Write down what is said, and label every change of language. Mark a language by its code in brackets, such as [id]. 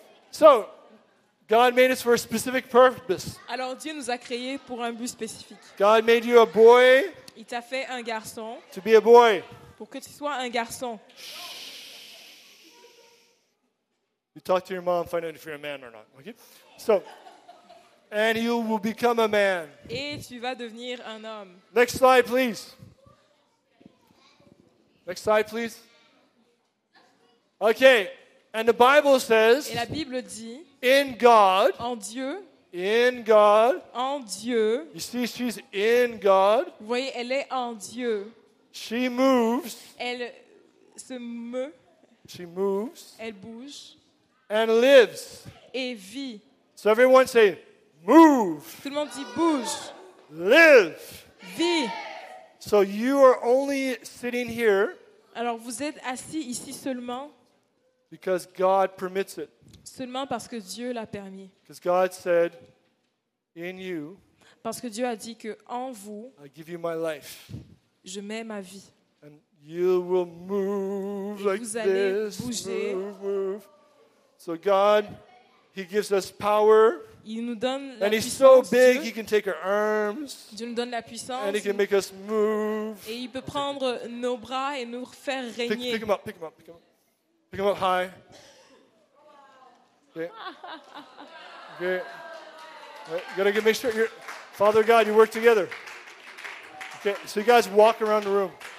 [en] So, God made us for a specific purpose. [fr] Alors Dieu nous a créés pour un but spécifique. [en] God made you a boy. [fr] Il t'a fait un garçon. [en] To be a boy. [fr] Pour que tu sois un garçon. [en] You talk to your mom, find out if you're a man or not. Okay. So, and you will become a man. [fr] Et tu vas devenir un homme. [en] Next slide, please. Next slide, please. Okay. And the Bible says, [fr] et la Bible dit, [en] in God, [fr] en Dieu, [en] in God, [fr] en Dieu, [en] you see, she's in God, [fr] vous voyez, elle est en Dieu, [en] she moves, [fr] elle se meut, [en] she moves, [fr] elle bouge, [en] and lives, [fr] et vit. [en] So everyone say, move, [fr] tout le monde dit bouge, [en] live, [fr] vit. [en] So you are only sitting here. [fr] Alors vous êtes assis ici seulement. [en] Because God permits it. [fr] Seulement parce que Dieu l'a permis. [en] Because God said, in you. [fr] Parce que Dieu a dit que en vous. [en] I give you my life. [fr] Je mets ma vie. [en] And you will move [fr] et [en] like [fr] vous allez [en] this. [fr] Bouger. [en] Move, move. So God, he gives us power. [fr] Il nous donne la [en] and he's [fr] puissance. [en] So big, he can take our arms. [fr] Dieu nous donne la puissance. [en] And he can make us move. [fr] Et il peut prendre nos bras et nous faire régner. [en] Pick him up, pick him up, pick him up. Pick him up high. Okay. Okay. Right. You gotta make sure you're... Father God, you work together. Okay, so you guys walk around the room.